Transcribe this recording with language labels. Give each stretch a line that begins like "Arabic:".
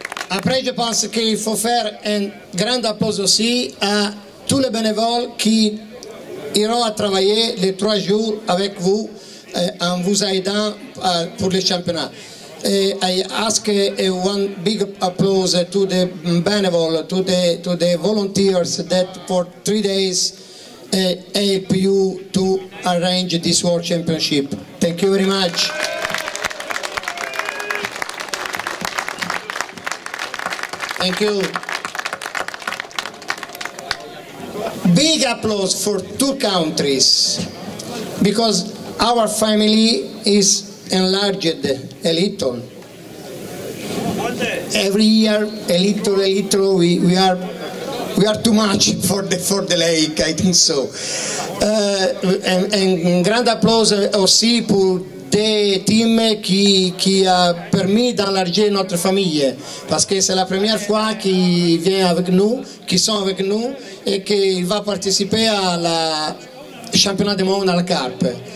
French: Après, je pense qu'il faut faire un grand applaudissement aussi à tous les bénévoles qui iront à travailler les 3 jours avec vous en vous aidant pour les championnats.
English: Et I ask a one big applause to the bénévoles, to the volunteers that for 3 days help you to arrange this World Championship. Thank you very much. Thank you. Big applause for 2 countries because our family is enlarged a little. Every year, a little, we are too much for the lake, I think so. And grand applause
French: aussi pour des teams qui a permis d'enlarger notre famille, parce que c'est la première fois qu'il vient avec nous, qu'ils sont avec nous, et qu'il va participer à la championnat du monde à la carpe.